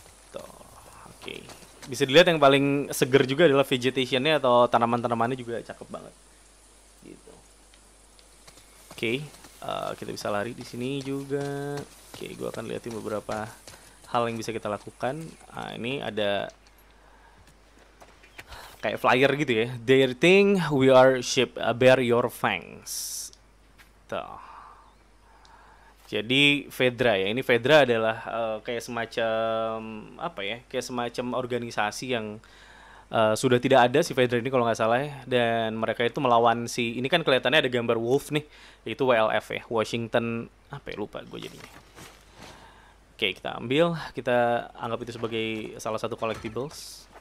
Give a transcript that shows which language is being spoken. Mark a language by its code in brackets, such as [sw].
[id] Tuh, oke. Bisa dilihat yang paling seger juga adalah vegetationnya atau tanaman-tanamannya juga cakep banget. Gitu. Oke, kita bisa lari di sini juga. Oke, gue akan liatin beberapa hal yang bisa kita lakukan. Nah, ini ada kayak flyer gitu ya. [en] They think we are sheep, bear your fangs. [id] Tuh. Jadi Fedra ya. Ini Fedra adalah kayak semacam apa ya? Kayak semacam organisasi yang sudah tidak ada si Fedra ini kalau nggak salah ya. Dan mereka itu melawan si, ini kan kelihatannya ada gambar wolf nih. Itu WLF ya, Washington apa ya, lupa gue jadinya. Oke, kita ambil. Kita anggap itu sebagai salah satu collectibles.